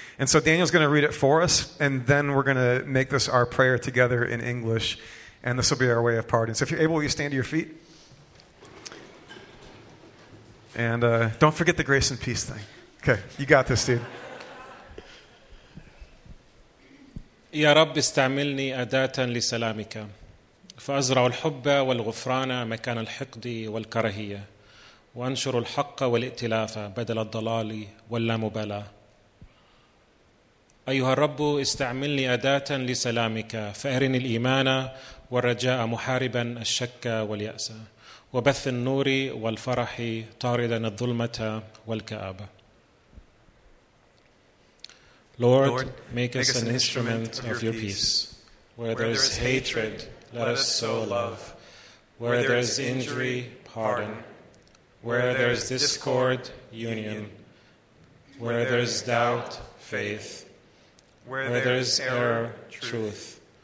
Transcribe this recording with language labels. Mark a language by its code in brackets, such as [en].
[en] And so Daniel's going to read it for us, and then we're going to make this our prayer together in English, and this will be our way of parting. So if you're able, will you stand to your feet? And don't forget the grace and peace thing. Okay, you got this, dude. [ar] يا رب استعملني أداة لسلامك فأزرع الحب والغفران مكان الحقد والكرهية وأنشر الحق والائتلاف بدل الضلال واللامبالاة أيها الرب استعملني أداة لسلامك فأرني الإيمان والرجاء محاربا الشك واليأس وبث النور والفرح طاردا الظلمة والكآبة [en] Lord, make us an instrument of your peace. Where there is hatred, let us sow love. Where there is injury, pardon. Where there is discord, union. Where there is doubt, faith. Where there is error, truth.